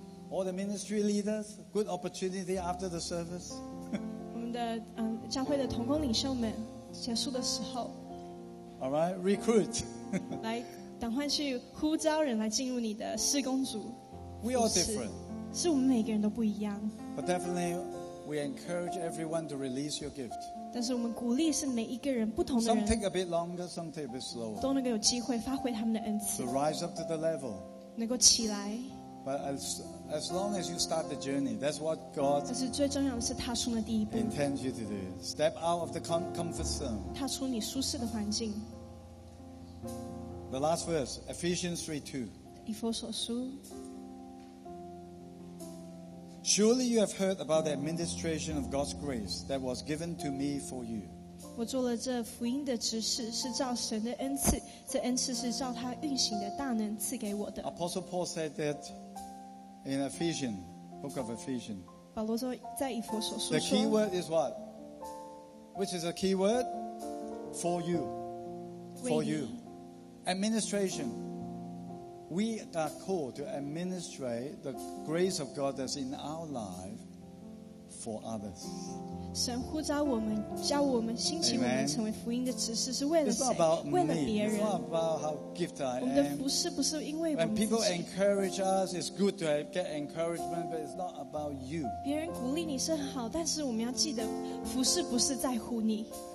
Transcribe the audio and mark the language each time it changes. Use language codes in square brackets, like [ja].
[en] All the ministry leaders, good opportunity after the service. [zh] 我们的教会的同工领袖们，结束的时候。 [en] All right, recruit. [zh] 来，赶快去呼召人来进入你的事工组。 [en] We are different. [zh] 是我们每个人都不一样。 [en] But definitely, we encourage everyone to release your gift. [zh] 但是我们鼓励是每一个人不同的 [en] 人 some take a bit longer, some take a bit slower, [zh] 都能够有机会发挥他们的恩赐 [en] to rise up to the level, [zh] 能够起来 [en] But as long as you start the journey, that's what God intends you to do. Step out of the comfort zone. [zh] 踏出你舒适的环境。 [en] The last verse, Ephesians 3:2. [zh] 以弗所书。 [en] Surely you have heard about the administration of God's grace that was given to me for you. [zh] 我做了这福音的执事，是照神的恩赐，这恩赐是照他运行的大能赐给我的。 [en] Apostle Paul said that in Ephesians, book of Ephesians. [zh] 保罗说在以弗所书。 [en] The key word is what? Which is a key word? For you. For you. Administration. We are called to administer the grace of God that's in our life for others. [zh] 神呼召我们，叫我们兴起我们成为福音的执事，是为了谁？为了别人。 [en] It's not about how gifted I am. [zh] 我们的服事不是因为我们自己。 [en] When people encourage us, it's good to get encouragement, but it's not about you. [zh] 别人鼓励你是很好，但是我们要记得，服事不是在乎你。